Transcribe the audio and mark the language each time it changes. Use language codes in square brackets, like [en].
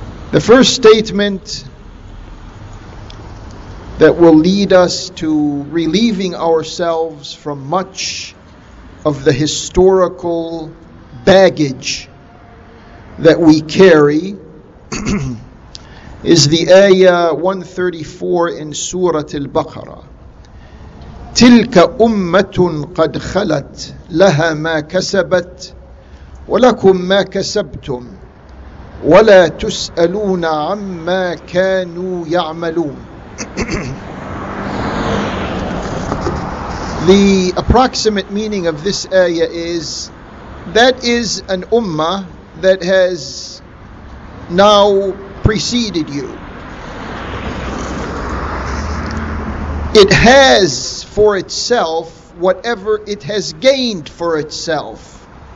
[en] The first statement that will lead us to relieving ourselves from much of the historical baggage that we carry is the ayah 134 in Surah Al-Baqarah. [ar] تلك أمة قد خلت لها ما كسبت ولكم ما كسبتم ولا تسألون عما كانوا يعملون. [en] The approximate meaning of this ayah is that is an ummah that has now preceded you. It has for itself whatever it has gained for itself.